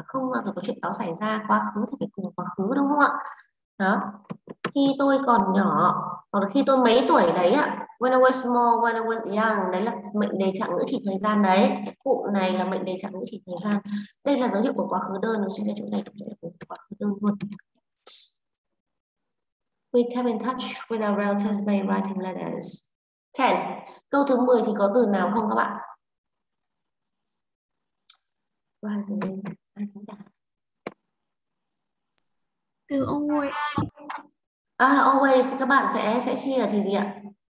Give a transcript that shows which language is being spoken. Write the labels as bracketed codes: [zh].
[vi] Không bao giờ có chuyện đó xảy ra. Quá khứ thì phải cùng quá khứ đúng không ạ? Đó. Khi tôi còn nhỏ, còn khi tôi mấy tuổi đấy ạ? [en] When I was small, when I was young, [vi] đấy là mệnh đề trạng ngữ chỉ thời gian đấy. Cụm này là mệnh đề trạng ngữ chỉ thời gian. Đây là dấu hiệu của quá khứ đơn, nó suy ra chỗ này cũng sẽ là quá khứ đơn luôn. [en] We came in touch with our relatives by writing letters. 10. [vi] Câu thứ 10 thì có từ nào không các bạn? Từ always. Always các bạn sẽ chia thì gì ạ?